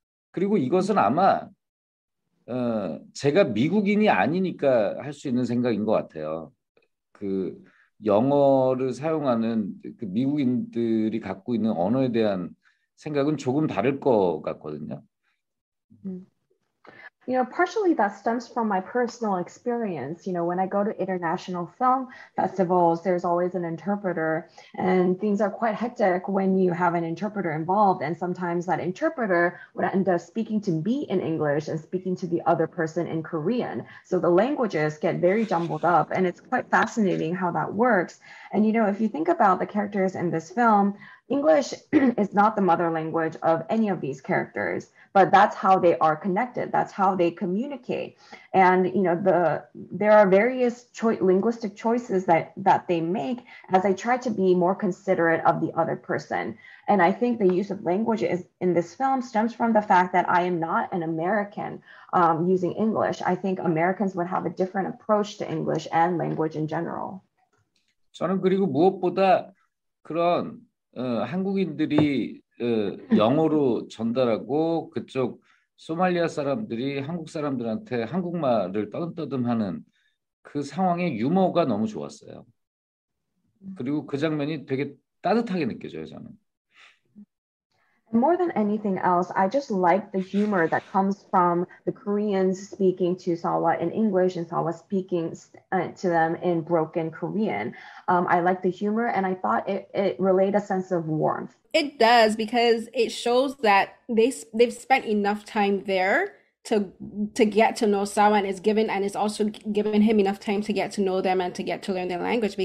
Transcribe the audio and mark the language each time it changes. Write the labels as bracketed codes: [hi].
[ko] 그리고 이것은 아마 제가 미국인이 아니니까 할 수 있는 생각인 것 같아요. 그 영어를 사용하는 그 미국인들이 갖고 있는 언어에 대한 생각은 조금 다를 것 같거든요. [en] You know, partially that stems from my personal experience. You know, when I go to international film festivals, there's always an interpreter, and things are quite hectic when you have an interpreter involved. And sometimes that interpreter would end up speaking to me in English and speaking to the other person in Korean. So the languages get very jumbled up, and it's quite fascinating how that works. And, you know, if you think about the characters in this film, English is not the mother language of any of these characters, but that's how they are connected. That's how they communicate. And, you know, there are various linguistic choices that they make as they try to be more considerate of the other person. And I think the use of language in this film stems from the fact that I am not an American using English. I think Americans would have a different approach to English and language in general. [ko] 저는 그리고 무엇보다 그런 한국인들이 영어로 전달하고 그쪽 소말리아 사람들이 한국 사람들한테 한국말을 떠듬떠듬하는 그 상황의 유머가 너무 좋았어요. 그리고 그 장면이 되게 따뜻하게 느껴져요, 저는. [en] And more than anything else, I just like the humor that comes from the Koreans speaking to Sawa in English and Sawa speaking to them in broken Korean. I like the humor, and I thought it relayed a sense of warmth. It does, because it shows that they've spent enough time there to get to know Sawa, and it's also given him enough time to get to know them and to get to learn their language.